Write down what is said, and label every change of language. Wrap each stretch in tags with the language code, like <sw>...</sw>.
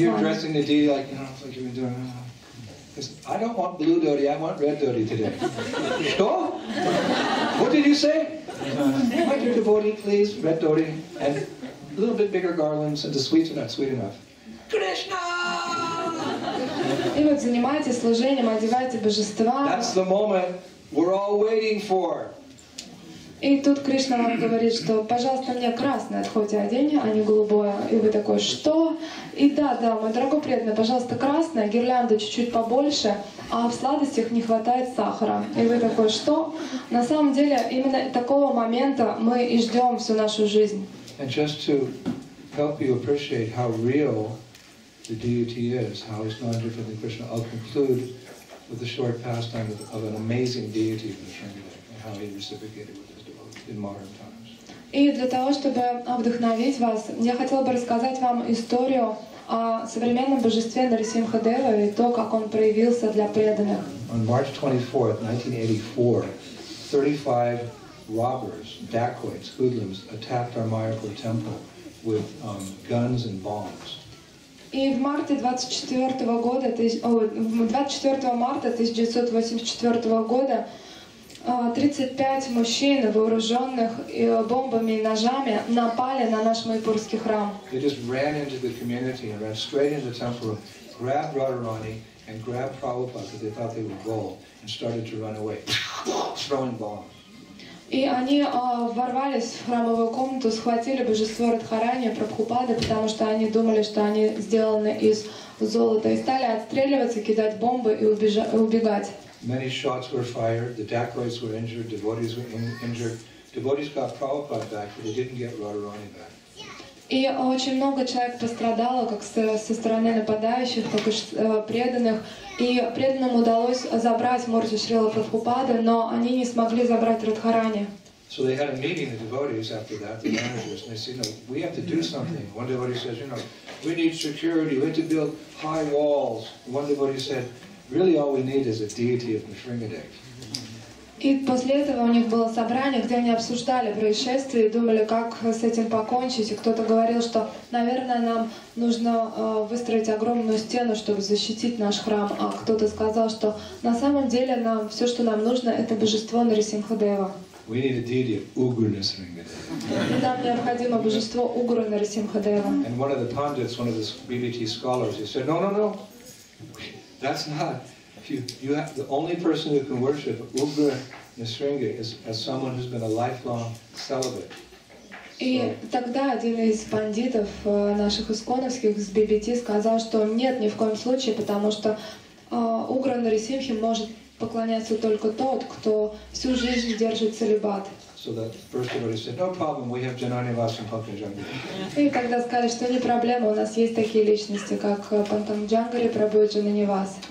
<en>You're addressing the deity like, you know, like you've been doing. Because I don't want blue dhoti, I want red dhoti today.</en> <ru>Что?</ru> <en>What did you say? My dear devotee, please, red dhoti, and a little bit bigger garlands, and the sweets are not sweet enough. Krishna!</en> <ru>И вот занимайтесь служением, одевайте божества.</ru> <en>That's the moment we're all waiting for.</en> <ru>И тут Кришна вам говорит, что, пожалуйста, мне красное отходи одень, а не голубое. И вы такой, что? И да, мой дорогой преданный, пожалуйста, красное, гирлянда чуть-чуть побольше, а в сладостях не хватает сахара. И вы такой, что? На самом деле, именно такого момента мы и ждем всю нашу жизнь.</ru> <en>And just to help you appreciate how real the deity is, how it's not different than Krishna, I'll conclude with a short pastime of an amazing deity in Nisringadev and how he reciprocated with in modern times.</en> <ru>И для того, чтобы вдохновить вас, я хотел бы рассказать вам историю о современном божестве Нарисимхадева и то, как он проявился для преданных.</ru> <en>On March 24th, 1984, 35 robbers, dacoits, hoodlums, attacked our Mayapur temple with guns and bombs.</en> <ru>И в марте 24 года, 24 марта 1984 года 35 мужчин, вооруженных бомбами и ножами, напали на наш Майпурский храм.</ru> <en>They just ran into the community and ran straight into the temple, grabbed Radharani and grabbed Prabhupada because they thought they were gold, and started to run away, throwing bombs.</en> <ru>И они ворвались в храмовую комнату, схватили божество Радхарани, Прабхупады, потому что они думали, что они сделаны из золота, и стали отстреливаться, кидать бомбы и убегать.</ru> <en>Many shots were fired, the dacoits were injured, devotees were injured. Devotees got Prabhupada back, but they didn't get Radharani back.</en> <ru>И очень много человек пострадало, как со стороны нападающих, так и преданных. И преданным удалось забрать Мурти Шрила Прабхупады, но они не смогли забрать Радхарани.</ru> <en>So they had a meeting, the devotees, after that, the managers, and they said, you know, we have to do something. One devotee says, you know, we need security, we have to build high walls. One devotee said, really all we need is a deity of Nrisimhadev.</en> <ru>И после этого у них было собрание, где они обсуждали происшествие и думали, как с этим покончить. И кто-то говорил, что, наверное, нам нужно выстроить огромную стену, чтобы защитить наш храм. А кто-то сказал, что на самом деле нам все, что нам нужно, это божество Нарисимхадева.</ru> <en>We need a deity of Ugra Nrisimhadeva.</en> <ru>Нам необходимо божество Угры Нарисимхадева.</ru> <en>And one of the pundits, one of the BBT scholars, he said, no, that's not... You have the only person who can worship Ugra Nrisimha is as someone who's been a lifelong celibate.</en> <ru>И тогда один из пандитов наших исконовских с BBT сказал, что нет ни в коем случае, потому что Угра Нрисимха может поклоняться только тот, кто всю жизнь держит целибат.</ru> <en>So that first everybody said, no problem, we have Janani Vas and Pankajangari.</en> <ru>И тогда сказали, что не проблема, у нас есть такие личности, как Пантанджангари Прабху и Джанани Вас.</ru>